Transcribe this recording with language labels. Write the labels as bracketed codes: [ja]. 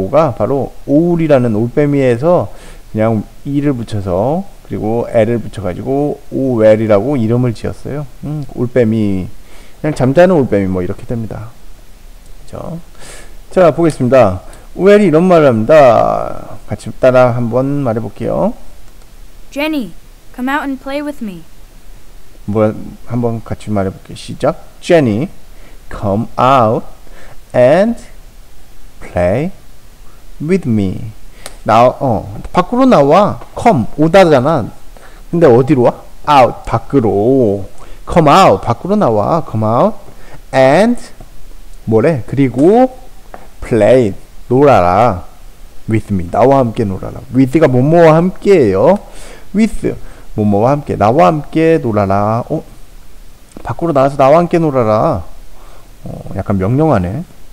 [ko] 오가 바로 오울이라는 올빼미에서 그냥 이를 붙여서 그리고 L을 붙여가지고 오웰이라고 이름을 지었어요. 올빼미 그냥 잠자는 올빼미 뭐 이렇게 됩니다. 그쵸? 자 보겠습니다. 오웰이 이런 말을 합니다. 같이 따라 한번 말해볼게요. [en] Jenny, come out and play with me. [ko] 뭐 한번 같이 말해볼게요. 시작. [en] Jenny, come out. And play with me. [ko] 밖으로 나와. Come 오다잖아. 근데 어디로 와? Out 밖으로. [en] Come out [ko] 밖으로 나와. [en] Come out and [ko] 뭐래? 그리고 play 놀아라. [en] With me [ko] 나와 함께 놀아라. With가 뭐뭐와 함께예요. With 뭐뭐와 함께 나와 함께 놀아라. 어? 밖으로 나와서 나와 함께 놀아라. 약간 명령하네.